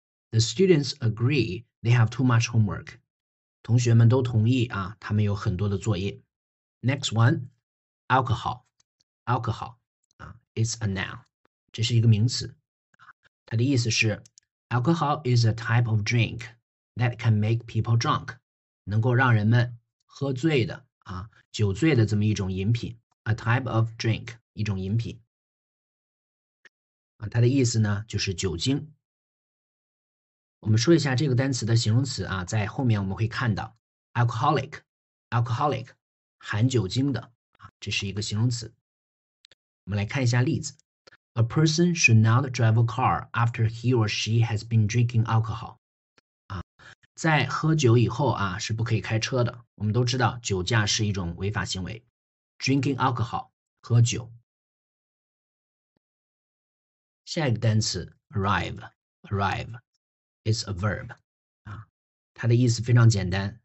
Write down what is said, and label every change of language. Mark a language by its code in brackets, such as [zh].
[en] The students agree they have too much homework. [zh] 同学们都同意他们有很多的作业。 [en] Next one, alcohol. Alcohol, it's a noun. [zh] 这是一个名词。它的意思是 [en] alcohol is a type of drink that can make people drunk. [zh] 能够让人们喝醉的酒醉的这么一种饮品。 [en] A type of drink, [zh] 一种饮品。它的意思呢就是酒精。我们说一下这个单词的形容词在后面我们会看到 alcoholic, 含酒精的这是一个形容词。我们来看一下例子。 [en] A person should not drive a car after he or she has been drinking alcohol. [zh] 在喝酒以后是不可以开车的。我们都知道酒驾是一种违法行为。 [en] Drinking alcohol, [zh] 喝酒。下一个单词 arrive. [en] It's a verb, [zh] 它的意思非常简单。